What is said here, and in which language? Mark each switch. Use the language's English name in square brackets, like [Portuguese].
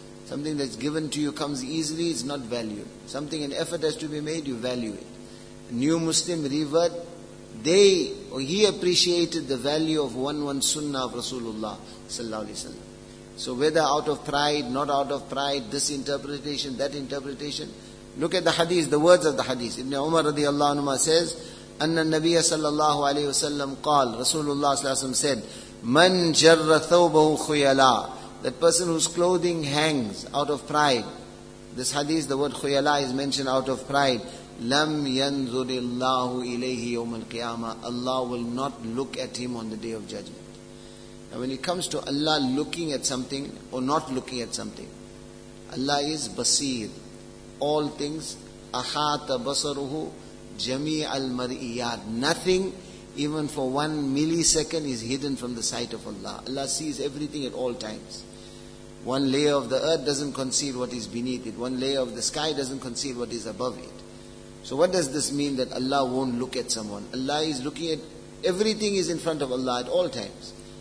[English] Something that's given to you comes easily, it's not valued. Something, an effort has to be made, you value it. A new Muslim revert, he appreciated the value of one sunnah of Rasulullah sallallahu alaihi wasallam. So whether out of pride, not out of pride, this interpretation, that interpretation, look at the hadith, the words of the hadith. Ibn Umar radiallahu anhu says, [Arabic] أَنَّ النَّبِيَ صَلَّى اللَّهُ عَلَيْهِ وَسَلَّمْ قَالَ رَسُولُ اللَّهِ صَلَّى اللَّهُ عَلَيْهِ وَسَلَّمْ [English] said, [Arabic] مَنْ جَرَّ ثَوْبَهُ خُيَلَى. [English] That person whose clothing hangs out of pride. This hadith, the word khuyala is mentioned out of pride. [Arabic] لَمْ يَنْظُرِ اللَّهُ إِلَيْهِ يَوْمَ الْقِيَامَةِ. [English] Allah will not look at him on the day of judgment. Now when it comes to Allah looking at something or not looking at something, Allah is basir. All things, [Arabic] أَحَاتَ بَصَرُهُ جَمِيعَ الْمَرْئِيَاتِ. [English] Nothing, even for 1 millisecond, is hidden from the sight of Allah. Allah sees everything at all times. One layer of the earth doesn't conceal what is beneath it. One layer of the sky doesn't conceal what is above it. So what does this mean that Allah won't look at someone? Allah is looking at, everything is in front of Allah at all times.